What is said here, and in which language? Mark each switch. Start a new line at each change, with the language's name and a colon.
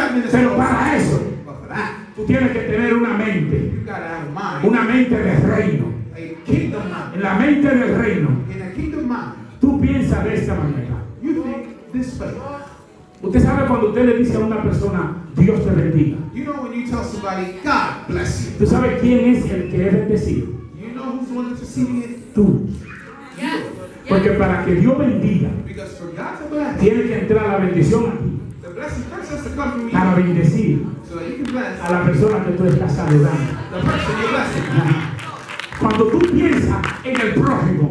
Spanish: Pero para eso, tú tienes que tener una mente. Una mente de reino. En la mente del reino. Tú piensas de esta manera. Usted sabe cuando usted le dice a una persona, Dios te bendiga.
English: You know when you tell somebody, God bless you.
Spanish: ¿Tú sabes quién es el que es bendecido?
English: You know who's the one that's receiving it?
Spanish: Tú.
English: Yeah.
Spanish: Porque para que Dios bendiga,
English: because for God to bless,
Spanish: tiene que entrar la bendición a ti.
English: The blessing first has to come from me.
Spanish: Para bendecir
English: so that you can bless
Spanish: a la persona que tú estás saludando.
English: The person you're blessing. Yeah.
Spanish: Cuando tú piensas en el prójimo,